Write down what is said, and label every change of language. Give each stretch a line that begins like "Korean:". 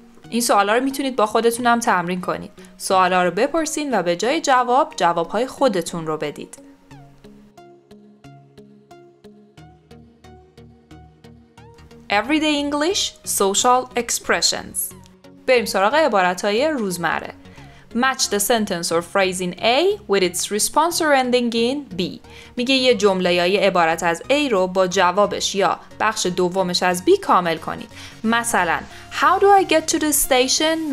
Persian: این سوالا رو میتونید با خودتون هم تمرین کنید. سوالا رو بپرسین و به جای جواب، جوابهای خودتون رو بدید.
English: Everyday English social expressions.
Persian: بریم سراغ عبارت‌های روزمره.
English: Match the sentence or phrase in A with its response or ending in B.
Persian: میگه یه جمله یا یه عبارت از A رو با جوابش یا بخش دومش از B کامل کنید.
English: مثلا How do I get to the station?